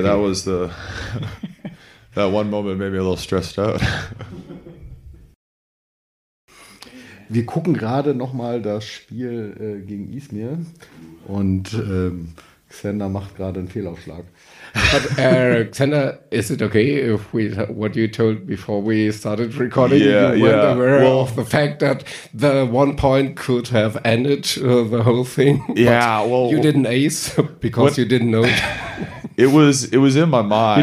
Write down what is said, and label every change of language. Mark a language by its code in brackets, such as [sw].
[en] Okay. That was the that one moment made me a little stressed out. [de] Wir gucken gerade nochmal das Spiel gegen Izmir und Xander macht gerade einen Fehlaufschlag. [en] But, Xander, is it okay if we what you told before we started recording? Were you aware of the fact that the one point could have ended the whole thing? Yeah, but well, you didn't ace because you didn't know. It was in my mind.